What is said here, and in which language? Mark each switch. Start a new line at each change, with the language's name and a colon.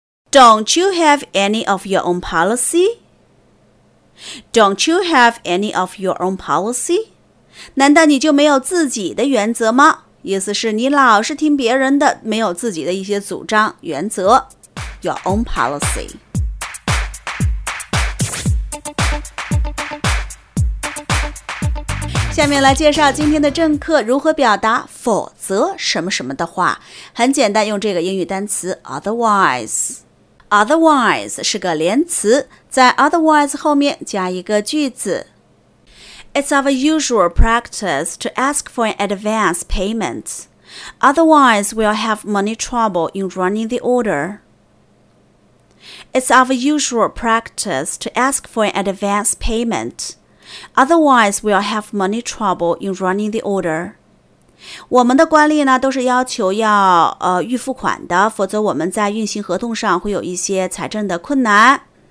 English: Don't you have any of your own policy? Don't you have any of your own policy?
Chinese: 难道你就没有自己的原则吗？意思是你老是听别人的，没有自己的一些主张原则。
English: Your own policy.
Chinese: 下面来介绍今天的正课，如何表达否则什么什么的话。很简单，用这个英语单词 otherwise。otherwise 是个连词，在 otherwise 后面加一个句子。
English: It's our usual practice to ask for an advance payment. Otherwise, we'll have money trouble in running the order. It's our usual practice to ask for an advance payment. Otherwise, we'll have money trouble in running the order.
Chinese: 我们的惯例呢，都是要求要预付款的，否则我们在运行合同上会有一些财政的困难。